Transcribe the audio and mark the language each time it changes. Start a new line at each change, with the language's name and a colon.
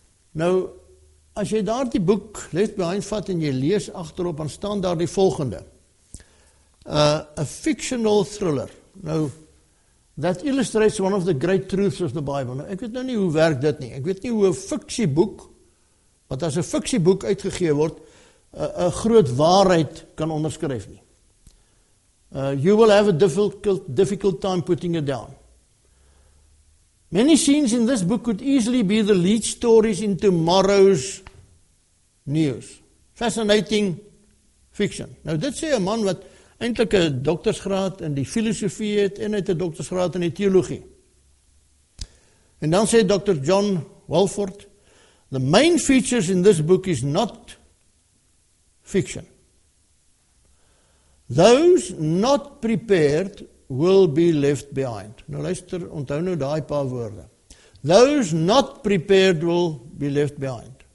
Afrikaans: Nou, as jy daar die boek Left Behind vat en jy lees achterop, dan staan daar die volgende.
English: A fictional thriller.
Afrikaans: Nou,
English: that illustrates one of the great truths of the Bible.
Afrikaans: Nou, ek weet nou nie hoe werk dit nie. Ek weet nie hoe 'n fiksieboek, wat as 'n fiksieboek uitgegee word, 'n groot waarheid kan onderskryf nie.
English: You will have a difficult time putting it down. Many scenes in this book could easily be the lead stories in tomorrow's news. Fascinating fiction.
Afrikaans: Nou dit sê 'n man wat eintlik 'n doktersgraad in die filosofie het en uit 'n doktersgraad in die teologie. En dan sê Dr.
English: John Walford, the main features in this book is not fiction. Those not prepared will be left behind.
Afrikaans: Nou luister, onthou nou daai paar woorde.
English: Those not prepared will be left behind.